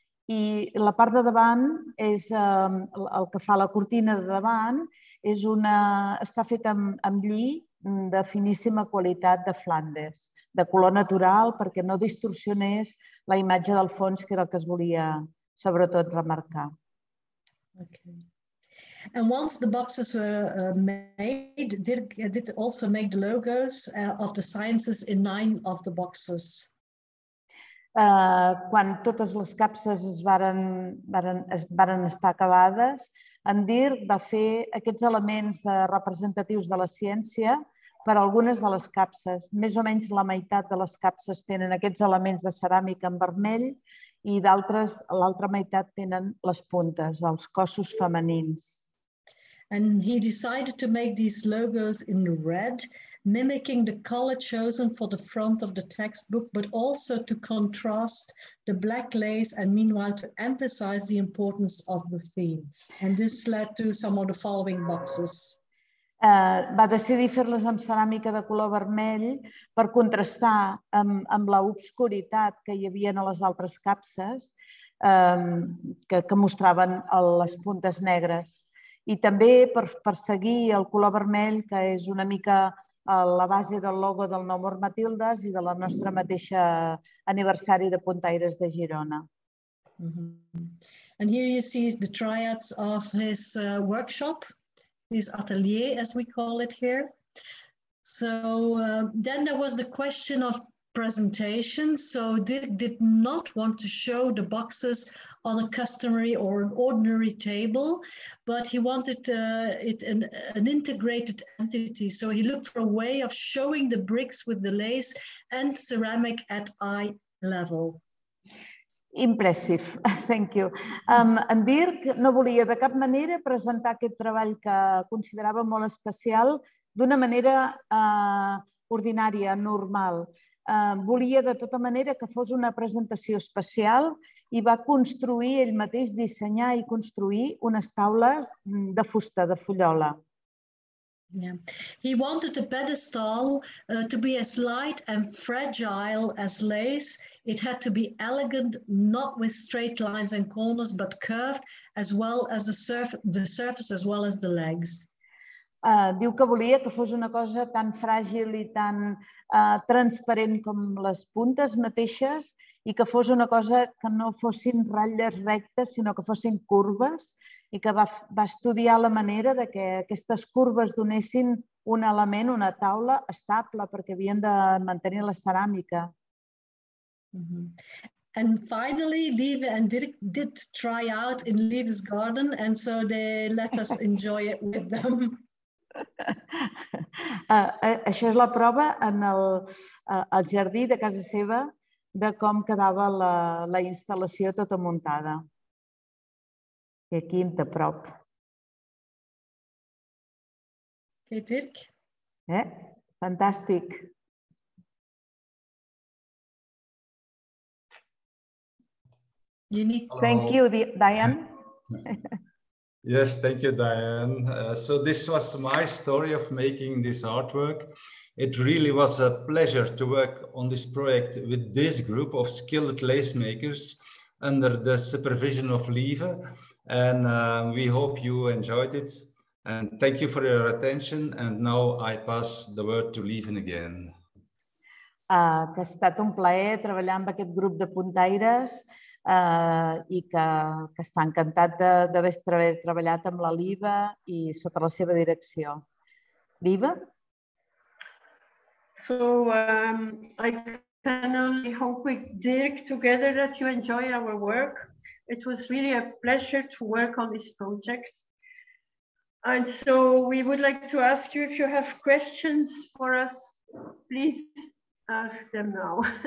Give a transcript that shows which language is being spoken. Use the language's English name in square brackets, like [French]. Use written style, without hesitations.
[Catalan] I la part de davant, és el que fa la cortina de davant, és una, està fet amb lli de finíssima qualitat de Flandes, de color natural, perquè no distorsionés la imatge del fons, que era el que es volia sobretot remarcar. [English] Okay. And once the boxes were made, Dirk did also make the logos of the sciences in 9 of the boxes. [Catalan] Quan totes les capses es varen estar acabades, en Dirk va fer aquests elements de representatius de la ciència per a algunes de les capses. Més o menys la meitat de les capses tenen aquests elements de ceràmica en vermell i d'altres, l'altra meitat tenen les puntes, els cossos femenins. [English] And he decided to make these logos in red, mimicking the color chosen for the front of the textbook, but also to contrast the black lace and meanwhile to emphasize the importance of the theme. And this led to some of the following boxes. [Catalan] Va decidir fer-les amb ceràmica de color vermell per contrastar amb la obscuritat que hi havia a les altres capses que mostraven les puntes negres. I també per seguir el color vermell, que és una mica la base del logo del No More Matildas i de la nostra mateixa aniversari de Puntaires de Girona. Mm-hmm. [English] And here you see the triads of his workshop, his atelier, as we call it here. So then there was the question of presentation. So Dirk did not want to show the boxes on a customary or an ordinary table, but he wanted it an integrated entity. So he looked for a way of showing the bricks with the lace and ceramic at eye level. Impressive, thank you. [Catalan] En Dirk no volia de cap manera presentar aquest treball que considerava molt especial d'una manera ordinària, normal. Volia de tota manera que fos una presentació especial i va construir ell mateix, dissenyar i construir unes taules de fusta, de fullola. [English] Yeah. He wanted the pedestal to be as light and fragile as lace It had to be elegant, not with straight lines and corners, but curved, as well as the surface, as well as the legs. [Catalan] Diu que volia que fos una cosa tan fràgil i tan transparent com les puntes mateixes i que fos una cosa que no fossin ratlles rectes, sinó que fossin corbes, i que va estudiar la manera de que aquestes corbes donessin un element, una taula estable, perquè havien de mantenir la ceràmica. Mm-hmm. [English] And finally, LIEVE and Dirk did try out in LIEVE's garden, and so they let us enjoy it with them. [Catalan] Això és la prova en el jardí de casa seva de com quedava la instal·lació tota muntada. I aquí de prop. Què, Dirk? Fantàstic. [English] Unique. Thank you, Diane. Yes, thank you, Diane. So this was my story of making this artwork. It really was a pleasure to work on this project with this group of skilled lace makers under the supervision of LIEVE. And we hope you enjoyed it. And thank you for your attention. And now I pass the word to LIEVE again. [Catalan] Que ha estat un plaer treballar amb aquest grup de puntaires. I que està encantat d'haver treballat amb la LIEVE i sota la seva direcció. LIEVE? [English] So, I can only hope with Dirk together that you enjoy our work. It was really a pleasure to work on this project. And so we would like to ask you if you have questions for us, please ask them now.